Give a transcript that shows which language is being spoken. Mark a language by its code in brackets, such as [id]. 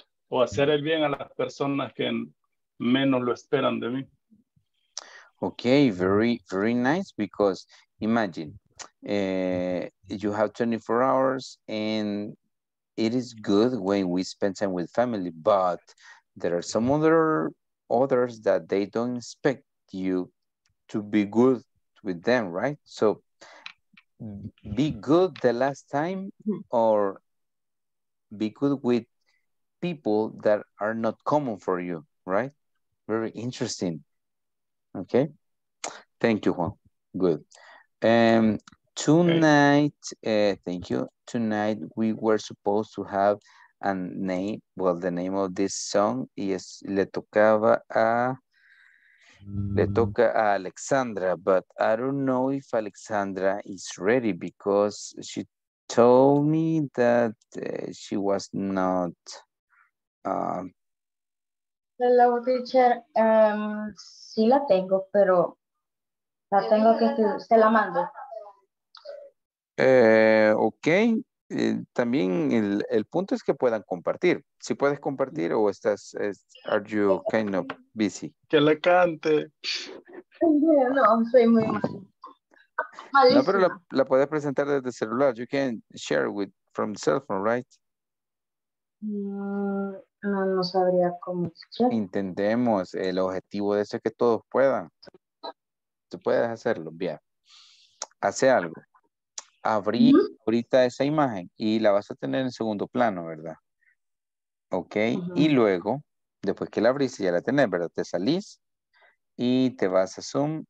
[es] O hacer el bien a las personas que menos lo esperan de mí. [en] Okay, very, very nice, because imagine you have 24 hours and it is good when we spend time with family, but there are some others that they don't expect you to be good with them, right? So be good the last time or be good with people that are not common for you, right? Very interesting. Okay. Thank you, Juan. Good. Tonight, thank you. Tonight, we were supposed to have a name. Well, the name of this song is Le toca a Alexandra, but I don't know if Alexandra is ready because she told me that she was not. Hello, teacher. [es] Sí la tengo, pero la tengo que se la mando. Okay. También el punto es que puedan compartir. Si puedes compartir o estás, [en] are you kind of busy? [es] Que le cante. No, soy muy mal. No, pero la puedes presentar desde el celular. [en] You can share with from the cell phone, right? [es] No sabría cómo. Entendemos. El objetivo de eso es que todos puedan. Tú puedes hacerlo. Bien. Hace algo. Abrí ahorita esa imagen y la vas a tener en segundo plano, ¿verdad? Ok. Uh-huh. Y luego, después que la abriste, ya la tenés, ¿verdad? Te salís y te vas a Zoom.